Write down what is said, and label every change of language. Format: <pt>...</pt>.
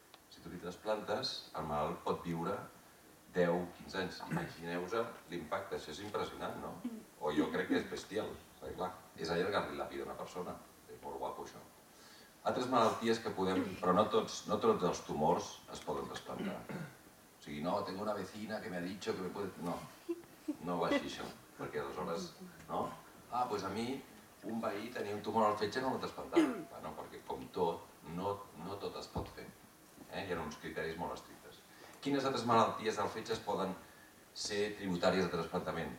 <ca>Si tu li trasplantes, el malalt pot viure 10, 15 anys. Imagineu-vos l'impacte, això és impressionant, no? O jo crec que és bestial, perquè clar, és allargar-li la vida d'una persona. És molt guapo, això. Altres malalties que podem, però no tots, no tots els tumors es poden trasplantar. O sigui, no,</ca> <es>tengo una vecina que me ha dicho que me puede...</es> <ca>No, no va així, això, perquè aleshores, no?</ca> <es>Ah, pues a mi,</es> <ca>un veí tenia un tumor al fetge i no l'ha trasplantat. Bueno, perquè com tot, no tot es pot fer. Hi ha uns criteris molt estrictes. Quines altres malalties del fetge es poden ser tributàries de trasplantament?</ca>